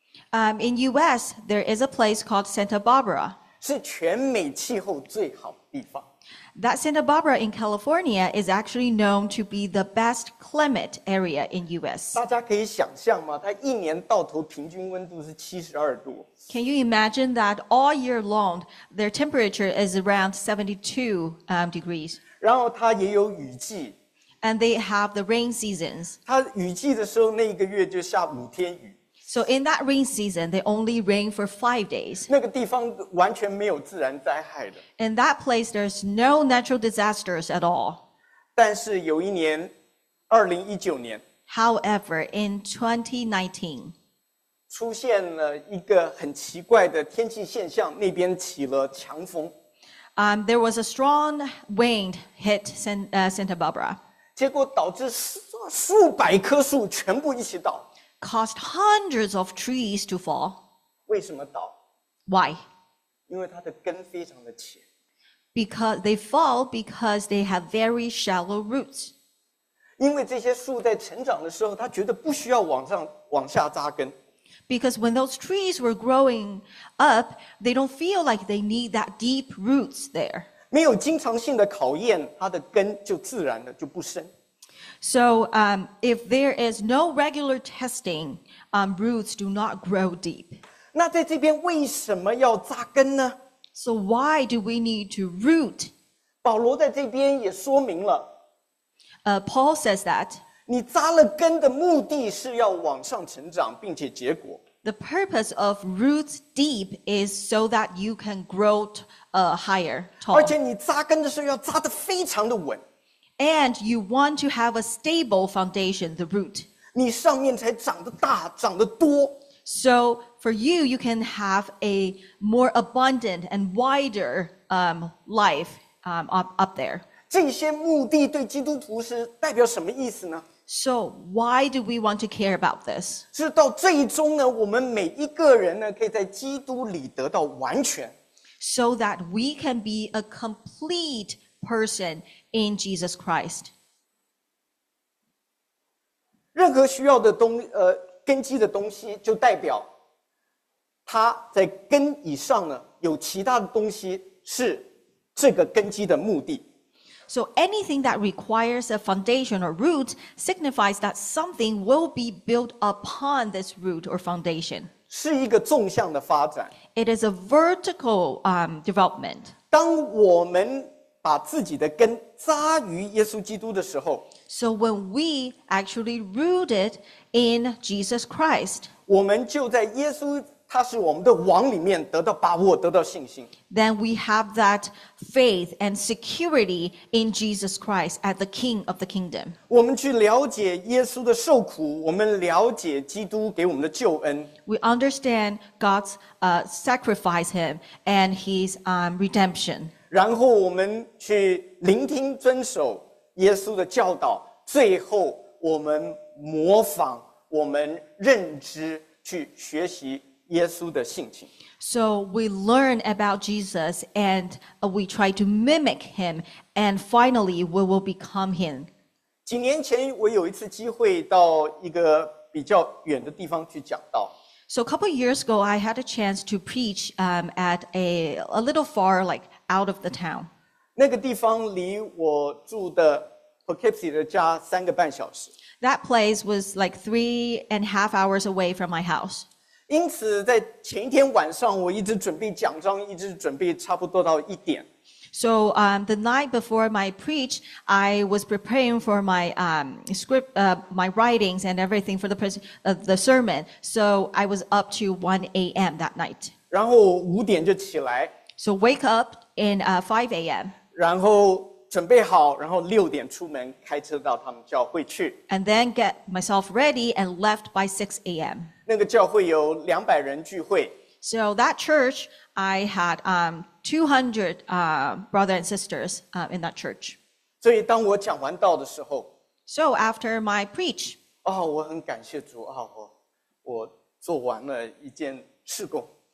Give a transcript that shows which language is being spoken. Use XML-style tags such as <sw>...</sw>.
<en>In U.S., there is a place called Santa Barbara.</en> <zh>是全美气候最好的地方。</zh> <en>That Santa Barbara in California is actually known to be the best climate area in U.S.</en> <zh>大家可以想象吗？它一年到头平均温度是72度。</zh> <en>Can you imagine that all year long, their temperature is around 72 degrees?</en> <zh>然后它也有雨季。</zh> <en>And they have the rain seasons.</en> <zh>它雨季的时候，那一个月就下五天雨。</zh> <en>So in that rain season, they only rain for 5 days.</en> <zh>那个地方完全没有自然灾害的。</zh> <en>In that place, there's no natural disasters at all.</en> <zh>但是有一年2019年。</zh> <en>However, in 2019,</en> <zh>出现了一个很奇怪的天气现象，那边起了强风。</zh> <en>There was a strong wind hit Santa Barbara.</en> <zh>结果导致数百棵树全部一起倒。</zh> <en>Caused hundreds of trees to fall.</en> <zh>为什么倒？</zh> <en>Why?</en> <zh>因为它的根非常的浅。</zh> <en>Because they fall because they have very shallow roots.</en> <zh>因为这些树在成长的时候，它觉得不需要往下扎根。</zh> <en>Because when those trees were growing up, they don't feel like they need that deep roots there.</en> <zh>没有经常性的考验，它的根就自然的就不深。</zh> <en>So, if there is no regular testing, roots do not grow deep.</en> <zh>那在这边为什么要扎根呢？</zh> <en>So why do we need to root?</en> <zh>保罗在这边也说明了。</zh> <en>Paul says that.</en> <zh>你扎了根的目的是要往上成长，并且结果。</zh> <en>The purpose of roots deep is so that you can grow higher, tall.</en> <zh>而且你扎根的时候要扎得非常的稳。</zh> <en>And you want to have a stable foundation, the root.</en> <zh>你上面才长得大，长得多。</zh> <en>So for you, you can have a more abundant and wider life up there.</en> <zh>这些目的对基督徒是代表什么意思呢？</zh> <en>So why do we want to care about this?</en> <zh>是到最终呢，我们每一个人呢，可以在基督里得到完全。</zh> <en>So that we can be a complete person in Jesus Christ.</en> <zh>任何需要的东根基的东西，就代表它在根以上呢，有其他的东西是这个根基的目的。</zh> <en>So anything that requires a foundation or root signifies that something will be built upon this root or foundation.</en> <zh>是一个纵向的发展。</zh> <en>It is a vertical development.</en> <zh>当我们把自己的根扎于耶稣基督的时候，</zh> <en>So when we actually rooted in Jesus Christ,</en> <zh>我们就在耶稣他是我们的王里面得到把握，得到信心。</zh> <en>Then we have that faith and security in Jesus Christ as the King of the Kingdom.</en> <zh>我们去了解耶稣的受苦，我们了解基督给我们的救恩。</zh> <en>We understand God's sacrifice him and his redemption.</en> <zh>然后我们去聆听遵守耶稣的教导，最后我们模仿，我们认知，去学习耶稣的性情。</zh> <en>So we learn about Jesus and we try to mimic him and finally we will become him.</en> <zh>几年前我有一次机会到一个比较远的地方去讲道。</zh> <en>So a couple years ago I had a chance to preach at a little far like out of the town.</en> <zh>那个地方离我住的 Poughkeepsie 的家三个半小时。</zh> <en>That place was like 3.5 hours away from my house.</en> <zh>因此在前一天晚上我一直准备讲章，一直准备差不多到一点。</zh> <en>So, the night before my preach, I was preparing for my, script, my writings and everything for the sermon. So I was up to 1 a.m. that night.</en> <zh>然后五点就起来。</zh> <en>So wake up in, 5 a.m.</en> <zh>然后准备好，然后六点出门开车到他们教会去。</zh> <en>And then get myself ready and left by 6 a.m.</en> <zh>那个教会有200人聚会。</zh> <en>So that church, I had 200 brothers and sisters in that church.</en> <zh>所以当我讲完道的时候。</zh> <en>So after my preach.</en> <zh>哦，我很感谢主，哦，我做完了一件事工。</zh>